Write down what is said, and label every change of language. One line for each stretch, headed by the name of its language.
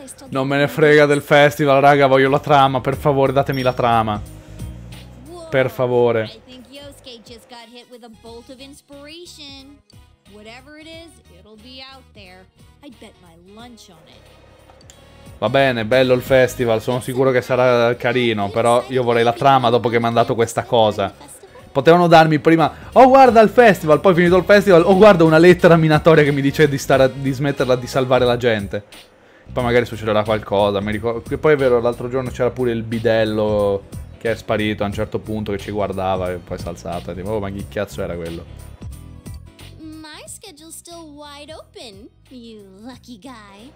Italian: Non me ne frega del festival, raga, voglio la trama, per favore, datemi la trama. Per favore.
English: I think Yosuke just got hit with a bolt of inspiration. Whatever it is, it'll be out there. I bet my lunch on it.
Italian: Va bene, bello il festival, sono sicuro che sarà carino, però io vorrei la trama dopo che mi ha dato questa cosa. Potevano darmi prima, oh guarda il festival, poi finito il festival, oh guarda una lettera minatoria che mi dice di stare a, di smetterla di salvare la gente. Poi magari succederà qualcosa, mi ricordo. Poi è vero, l'altro giorno c'era pure il bidello che è sparito a un certo punto, che ci guardava e poi si è alzato. E dico, oh, ma chi cazzo era quello?
English: My schedule's still wide open, you lucky guy.